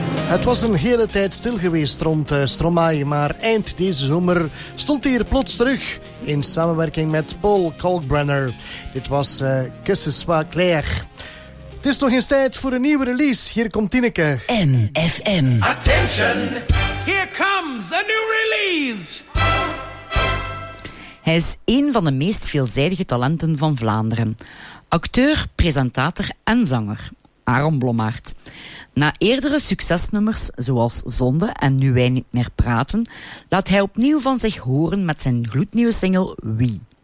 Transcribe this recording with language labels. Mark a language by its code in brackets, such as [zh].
[nl] Het was een hele tijd stil geweest rond Stromae, maar eind deze zomer stond hij er plots terug in samenwerking met Paul Kalkbrenner. Dit was Kusses Wa Claire. Het is nog eens tijd voor een nieuwe release. Hier komt Tineke. MFM. [en] Attention! Here comes a new release! [nl] Hij is een van de meest veelzijdige talenten van Vlaanderen. Acteur, presentator en zanger. Aaron Blommaert. Na eerdere succesnummers zoals Zonde en Nu Wij Niet Meer Praten, laat hij opnieuw van zich horen met zijn gloednieuwe single Wie.